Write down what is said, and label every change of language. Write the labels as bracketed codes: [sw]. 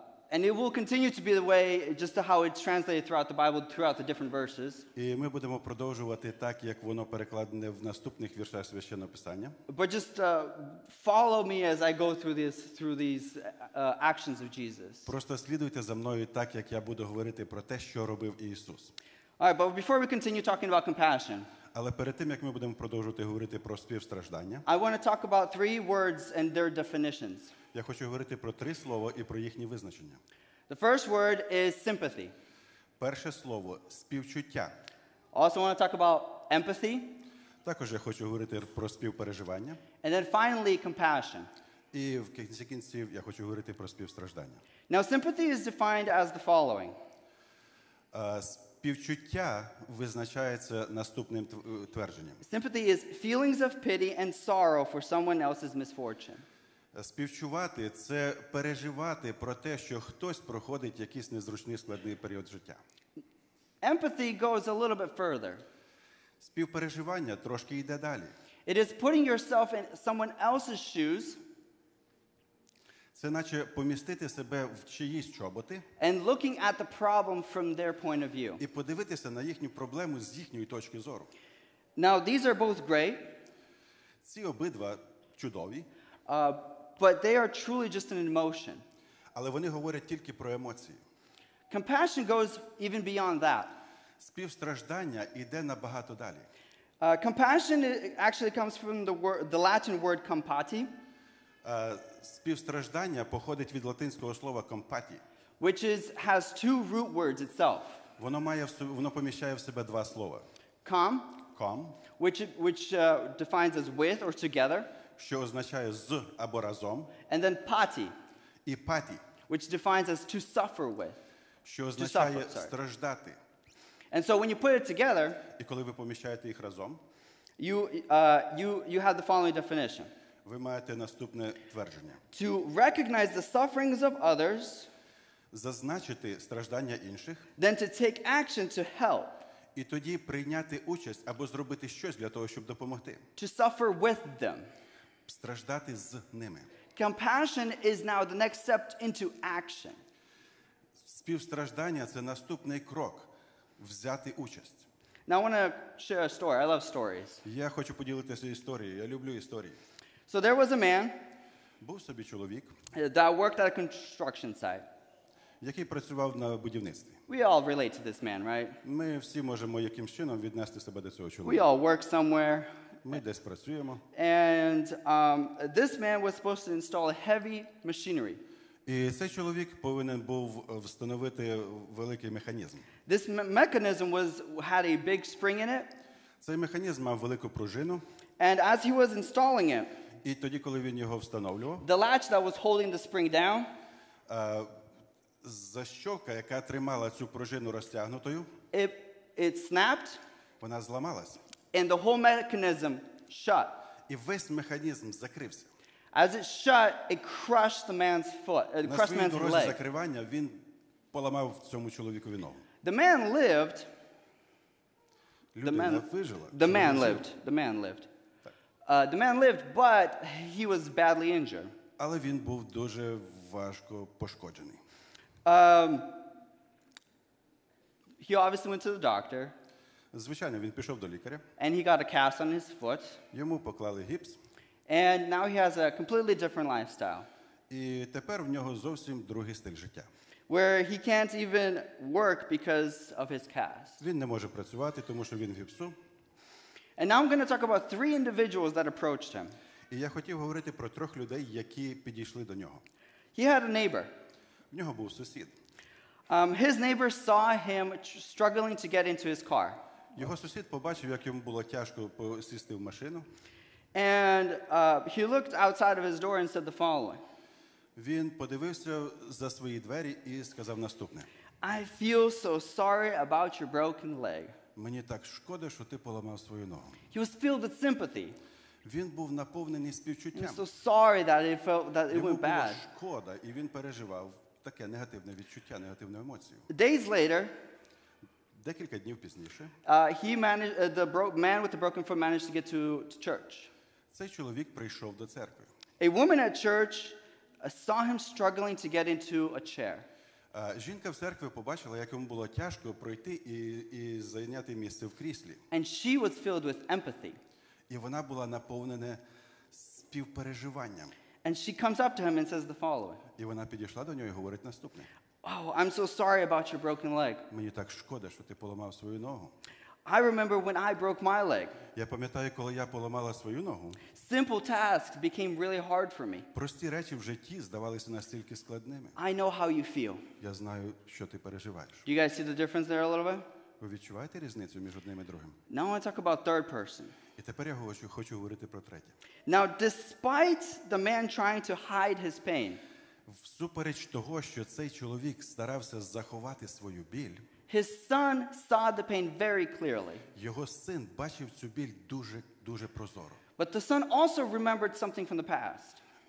[en] And it will continue to be the way just how it's translated throughout the Bible throughout the different verses. [uk] І ми будемо продовжувати так, як воно перекладене в наступних віршах Священного Писання. [en] But just follow me as I go through these actions of Jesus. [uk] Просто слідуйте за мною так, як я буду говорити про те, що робив Ісус. [en] All right, but before we continue talking about compassion. [uk] Але перед тим, як ми будемо продовжувати говорити про співстраждання. [en] I want to talk about three words and their definitions. [uk] Я хочу говорити про три слова і про їхні визначення. [en] The first word is sympathy. [uk] Перше слово – співчуття. [en] Also want to talk about empathy. [uk] Також я хочу говорити про співпереживання. [en] And then finally, compassion. [uk] І в кінці кінців я хочу говорити про співстраждання. [en] Now, sympathy is defined as the following. [uk] Співчуття визначається наступним твердженням. [en] Sympathy is feelings of pity and sorrow for someone else's misfortune. [uk] Співчувати – це переживати про те, що хтось проходить якийсь незручний, складний період життя. [en] Empathy goes a little bit further. [uk] Співпереживання трошки йде далі. [en] It is putting yourself in someone else's shoes. [uk] Це наче помістити себе в чиїсь чоботи. [en] And looking at the problem from their point of view. [uk] І подивитися на їхню проблему з їхньої точки зору. [en] Now these are both great. [uk] Ці обидва чудові. [en] But they are truly just an emotion. [uk] Але вони говорять тільки про емоції. [en] Compassion goes even beyond that. [uk] Співстраждання йде набагато далі. [en] Compassion actually comes from the Latin word compati. [uk] Співстраждання походить від латинського слова compati. [en] Which has two root words itself. [uk] Воно поміщає в себе два слова. [la] Com. Com. [en] Which defines as with or together. [uk] Що означає з або разом. [en] And then pati. [uk] І pati. [en] Which defines as to suffer with. [uk] Що означає страждати. [en] And so when you put it together, [uk] і коли ви поміщаєте їх разом, [en] you have the following definition. [uk] Ви маєте наступне твердження. [en] To recognize the sufferings of others, [uk] зазначити страждання інших, [en] then to take action to help, [uk] і тоді прийняти участь або зробити щось для того, щоб допомогти. [en] To suffer with them. [uk] Страждати з ними. [en] Compassion is now the next step into action. [uk] Співстраждання – це наступний крок взяти участь. [en] Now I want to share a story. I love stories. [uk] Я хочу поділитися історією. Я люблю історії. [en] So there was a man. [uk] Був собі чоловік. [en] That worked at a construction site. [uk] Який працював на будівництві. [en] We all relate to this man, right? [uk] Ми всі можемо якимсь чином віднести себе до цього чоловіка. [en] We all work somewhere. [uk] Ми десь працюємо. [en] And this man was supposed to install heavy machinery. [uk] І цей чоловік повинен був встановити великий механізм. [en] This mechanism had a big spring in it. [uk] Цей механізм мав велику пружину. [en] And as he was installing it, [uk] і тоді, коли він його встановлював, [en] the latch that was holding the spring down, [uk] защока, яка тримала цю пружину розтягнутою, [en] it snapped. [uk] Вона зламалась. [en] And the whole mechanism shut. [uk] І весь механізм закрився. [en] As it shut, it crushed the man's foot. It crushed the man's leg. [uk] На своїй дорозі закривання він поламав цьому чоловікові ногу. [en] The man lived. [uk] Людина вижила. [en] The man lived. The man lived. The man lived, but he was badly injured. [uk] Але він був дуже важко пошкоджений. [en] He obviously went to the doctor. [uk] Звичайно, він пішов до лікаря. [en] And he got a cast on his foot. [uk] Йому поклали гіпс. [en] And now he has a completely different lifestyle. [uk] І тепер в нього зовсім другий стиль життя. [en] Where he can't even work because of his cast. [uk] Він не може працювати, тому що він в гіпсу. [en] And now I'm going to talk about three individuals that approached him. [uk] І я хотів говорити про трьох людей, які підійшли до нього. [en] He had a neighbor. [uk] В нього був сусід. [en] His neighbor saw him struggling to get into his car. [uk] Його сусід побачив, як йому було тяжко сісти в машину. [en] And he looked outside of his door and said the following. [uk] Він подивився за свої двері і сказав наступне. [en] I feel so sorry about your broken leg. [uk] Мені так шкода, що ти поламав свою ногу. [en] He was filled with sympathy. [uk] Він був наповнений співчуттям. [en] He was so sorry that it felt that it went bad. [uk] Йому було шкода, і він переживав таке негативне відчуття, негативну емоцію. [en] Days later, [uk] декілька днів пізніше, [en] the man with the broken foot managed to get to church. [uk] Цей чоловік прийшов до церкви. [en] A woman at church saw him struggling to get into a chair. [uk] Жінка в церкві побачила, як йому було тяжко пройти і зайняти місце в кріслі. [en] And she was filled with empathy. [uk] І вона була наповнена співпереживанням. [en] And she comes up to him and says the following. [uk] І вона підійшла до нього і говорить наступне. [en] Oh, I'm so sorry about your broken leg. [uk] Мені так шкода, що ти поламав свою ногу. [en] I remember when I broke my leg. [uk] Я пам'ятаю, коли я поламала свою ногу. [en] Simple tasks became really hard for me. [uk] Прості речі в житті здавалися настільки складними. [en] I know how you feel. [uk] Я знаю, що ти переживаєш. [en] Do you guys see the difference there a little bit? [uk] Ви відчуваєте різницю між одним і другим? [en] Now I want to talk about third person. [uk] І тепер я хочу говорити про третє. [en] Now, despite the man trying to hide his pain, [uk] всупереч того, що цей чоловік старався заховати свою біль, [en] his son saw the pain very clearly. [uk] Його син бачив цю біль дуже, дуже прозоро. [en] But the son also remembered something from the past.